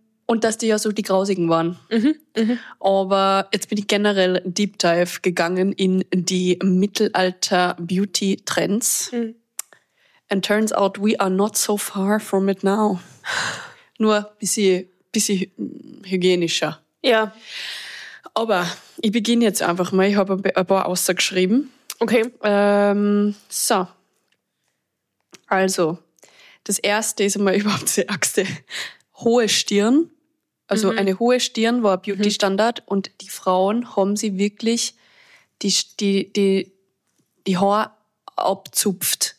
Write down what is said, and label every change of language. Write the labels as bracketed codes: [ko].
[de] Und dass die ja so die Grausigen waren. Aber jetzt bin ich generell Deep Dive gegangen in die Mittelalter-Beauty-Trends. [en] And turns out we are not so far from it now. [de] Nur bisschen hygienischer. Ja. Aber ich beginne jetzt einfach mal. Ich habe ein paar Aussagen geschrieben. Okay. So. Also, das erste ist einmal überhaupt die Achse. Hohe Stirn. Also eine hohe Stirn war Beauty-Standard und die Frauen haben sie wirklich die Haare abzupft.